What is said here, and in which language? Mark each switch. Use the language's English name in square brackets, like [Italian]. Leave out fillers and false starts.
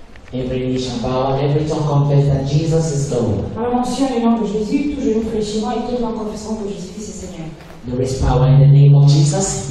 [English] Every knee shall bow and every tongue confess that Jesus is Lord. [French] Alors mentionne le nom de Jésus, tout genou fléchira et toute langue confessera que Jésus-Christ est Seigneur. [English] There is power in the name of Jesus.